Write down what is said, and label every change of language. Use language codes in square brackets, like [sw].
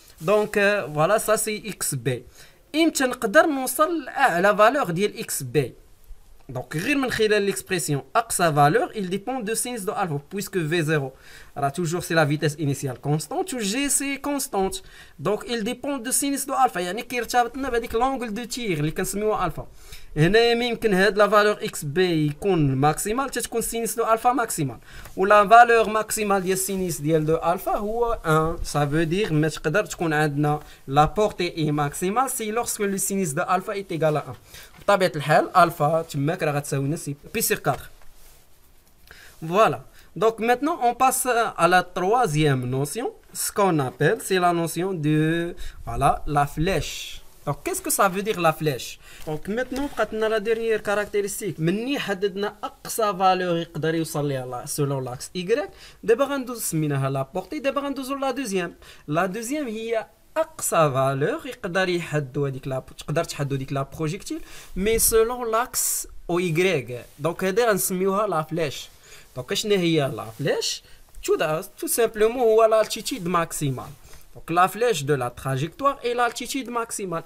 [fr] Donc, voilà, ça c'est xb. Et on peut faire la valeur de xb. Donc, [ar] غير من خلال [fr] l'expression [ar] أقصى [fr] valeur, il dépend de sinus de alpha, puisque V0, alors toujours c'est la vitesse initiale constante, ou G c'est constante. Donc, il dépend de sinus de alpha. [ar] يعني كي ارتبطنا بهذيك [fr] l'angle de tir [ar] اللي كنسميوه alpha. هنا يمكن هاد [fr] la valeur XB [ar] يكون [fr] maximal, [ar] تتكون [fr] sinus de alpha maximal. Ou la valeur maximale [ar] ديال [fr] sinus [ar] ديال [fr] de alpha [ar] هو [fr] 1. Ça veut dire, [ar] ما تقدر تكون عندنا [fr] la portée est maximale, c'est lorsque le sinus de alpha est égal à 1. [ar] طبيعة الحال alpha تماك راه غتساوي نفس بي سير 4. [fr] Voilà. Donc maintenant on passe à la troisième notion, ce qu'on appelle, c'est la notion de voilà, la flèche. Donc qu'est-ce que ça veut dire la flèche? Donc maintenant on a la dernière caractéristique. [ar] مني حددنا اقصى valeur يقدر يوصل ليها [fr] selon l'axe y. [ar] دابا غندوزو سميناها [fr] la portée, [ar] دابا غندوزو [fr] la deuxième. La deuxième [ar] هي اقصى valeur يقدر يحدو هذيك la تقدر تحدو هذيك [fr] la projectile mais selon l'axe au y. Donc [ar] هذه غنسميوها [fr] la flèche. Donc, qu'est-ce qu'il y a la flèche? Tout simplement, ou à l'altitude maximale. Donc, la flèche de la trajectoire est l'altitude maximale.